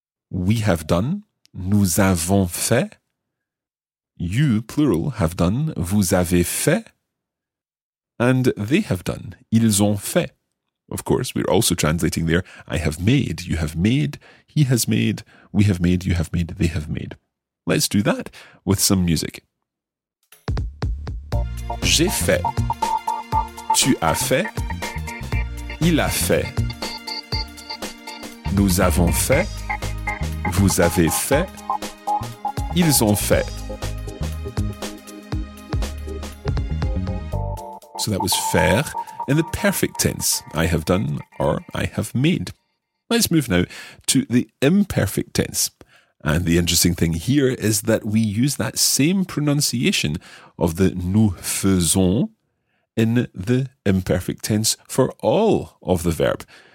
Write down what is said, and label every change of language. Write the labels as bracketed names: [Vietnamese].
[English] We have done, [French] nous avons fait, [English] you, plural, have done, [French] vous avez fait, [English] and they have done, [French] ils ont fait. [English] Of course, we're also translating there, I have made, you have made, he has made, we have made, you have made, they have made. Let's do that with some music. [French] J'ai fait, tu as fait, il a fait, nous avons fait, vous avez fait, ils ont fait. [English] So that was faire in the perfect tense. I have done or I have made. Let's move now to the imperfect tense. And the interesting thing here is that we use that same pronunciation of the [French] nous faisons [English] in the imperfect tense for all of the verb.